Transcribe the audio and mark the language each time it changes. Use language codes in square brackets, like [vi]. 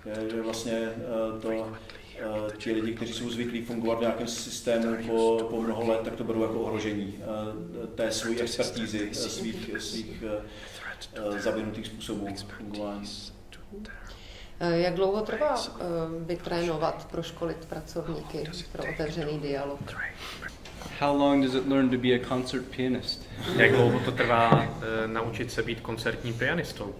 [cs] Že vlastně to ti lidi, kteří jsou zvyklí fungovat v nějakém systému po mnoho let, tak to berou jako ohrožení té svojí expertízy, svých zavinutých způsobů fungování. Jak dlouho trvá vytrénovat, proškolit pracovníky pro otevřený dialog? [en] How long does it learn to be a concert pianist? [cs] Jak dlouho to trvá naučit se být koncertním pianistou?